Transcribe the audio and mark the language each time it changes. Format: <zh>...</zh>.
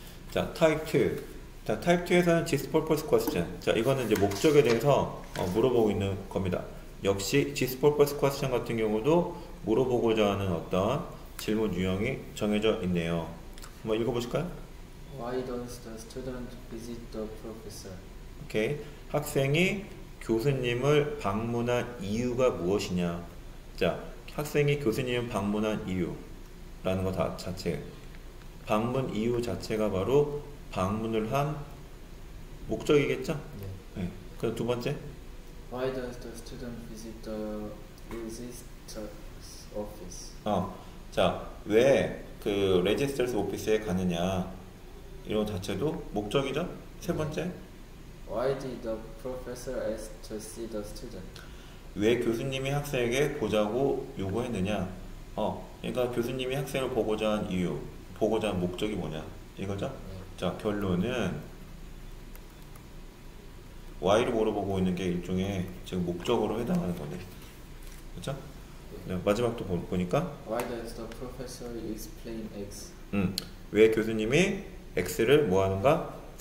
<ko>자, 타입 2. 자, 타입 2에서는 gist purpose question. 자, 이거는 이제 목적에 대해서 물어보고 있는 겁니다. 역시 gist purpose question 같은 경우도 물어보고자 하는 어떤 질문 유형이 정해져 있네요. 한번 읽어보실까요?</ko> <en>Why don't the student visit the professor?</en> <ko>오케이. 학생이 교수님을 방문한 이유가 무엇이냐? 자, 학생이 교수님을 방문한 이유. 라는 거다 자체. 방문 이유 자체가 바로 방문을 한 목적이겠죠? 네. 그럼 두 번째.</ko> <en>Why don't the student visit the registrar's office?</en> <ko>자, 왜그 레지스터스 오피스에 가느냐? 이런 자체도 목적이죠? 세 번째.</ko> <en>Why did the professor ask to see the student?</en> <ko>왜 교수님이 학생에게 보자고 요구했느냐? 그러니까 교수님이 학생을 보고자 한 이유, 보고자 한 목적이 뭐냐? 이거죠? 자, 결론은 why를 물어보고 있는 게 일종의 지금 목적으로 해당하는 거네. 그렇죠? 네, 마지막도 보니까</ko> <en>Why does the professor explain X?</en> <ko>왜 교수님이 X를 뭐 하는가?</ko>